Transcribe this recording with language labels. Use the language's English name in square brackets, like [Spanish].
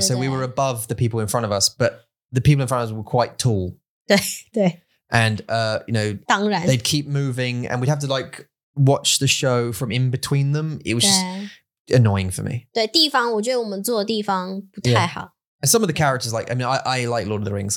[Chinese] 对对对. [English] So we were above the people in front of us, but the people in front of us were quite tall. [Chinese] 对对. [English] And you know, [Chinese] 当然. [English] They'd keep moving, and we'd have to like. Watch the show from in between them. It was just annoying for me. [Chinese] 对地方，我觉得我们坐的地方不太好。 [English] Yeah. Some of the characters, like I mean, I like Lord of the Rings.